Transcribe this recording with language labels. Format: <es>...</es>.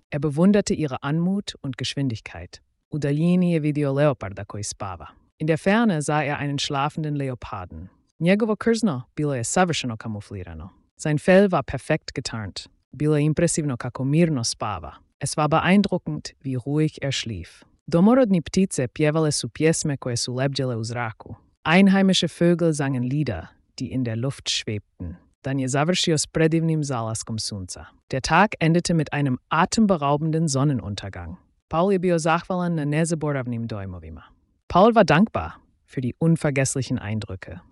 <de>Er bewunderte ihre Anmut und Geschwindigkeit.</de> <hr>U daljini je vidio leoparda koji spava.</hr> <de>In der Ferne sah er einen schlafenden Leoparden.</de> <hr>Njegovo krzno bilo je savršeno kamuflirano.</hr> <de>Sein Fell war perfekt getarnt.</de> <hr>Bilo je impresivno kako mirno spava.</hr> <de>Es war beeindruckend, wie ruhig er schlief.</de> <hr>Domorodni ptice pjevale su pjesme koje su lebdjele u zraku.</hr> <de>Einheimische Vögel sangen Lieder, die in der Luft schwebten.</de> <hr>Dan je završio s predivnim zalaskom sunca.</hr> <de>Der Tag endete mit einem atemberaubenden Sonnenuntergang.</de> <hr>Paul je bio zahvalan na nezaboravnim dojmovima.</hr> <de>Paul war dankbar für die unvergesslichen Eindrücke.</de>